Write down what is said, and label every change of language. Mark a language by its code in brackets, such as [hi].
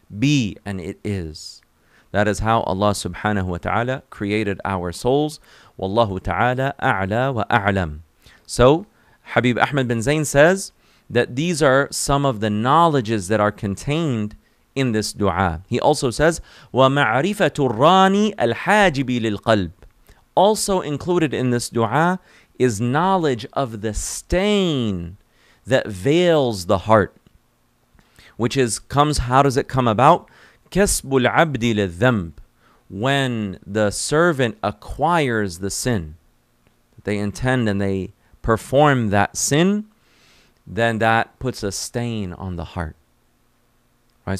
[en] Be, and it is. That is how Allah subhanahu wa ta'ala created our souls. Wallahu ta'ala a'la wa a'lam. So Habib Ahmed bin Zain says that these are some of the knowledges that are contained in this dua. He also says, [ar] وَمَعْرِفَةُ الرَّانِي الْحَاجِبِ لِلْقَلْبِ. [en] Also included in this dua is knowledge of the stain that veils the heart. Which is comes, how does it come about? [ar] كَسْبُ الْعَبْدِ لِلْذَنْبِ. [en] When the servant acquires the sin that they intend and they perform that sin, then that puts a stain on the heart. Right?